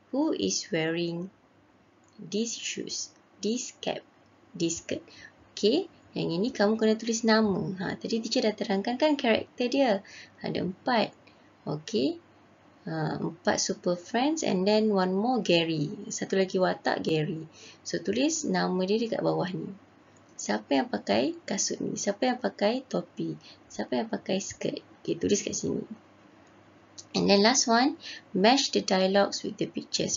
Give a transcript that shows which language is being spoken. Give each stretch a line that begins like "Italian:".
English: Who is wearing these shoes, this cap, this skirt?
Malay: Okay, yang ini kamu kena tulis nama. Ha, tadi teacher dah terangkan kan karakter dia. Ada 4.
English: Okay, 4 super friends and then one more Gary.
Malay: Satu lagi watak Gary. So, tulis nama dia dekat bawah ni. Siapa yang pakai kasut ni? Siapa yang pakai topi? Siapa yang pakai skirt? Okay, tulis kat sini.
English: And then last one, match the dialogues with the pictures.